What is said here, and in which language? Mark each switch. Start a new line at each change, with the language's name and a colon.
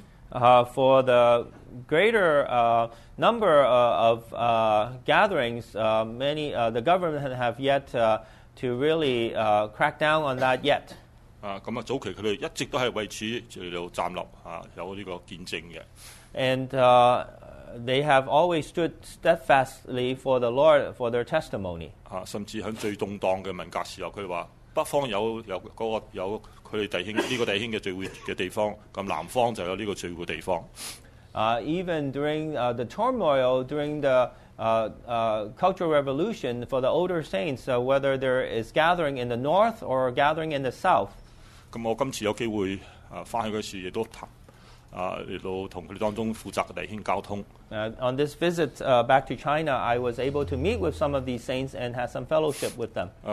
English: For the greater number of gatherings, the government have yet to really crack down on that yet.
Chinese: 早期他們一直都是為此站立，有這個見證的。
English: And they have always stood steadfastly for the Lord for their testimony.
Chinese: 甚至在最動盪的文革時候，他們說北方有他們弟兄的聚會的地方，南方就有這個聚會的地方。
English: Even during the turmoil, during the Cultural Revolution, for the older saints, whether there is gathering in the north or gathering in the south.
Chinese: 我這次有機會回去的時候，也跟他們當中負責的弟兄交通。
English: On this visit back to China, I was able to meet with some of these saints and have some fellowship with them.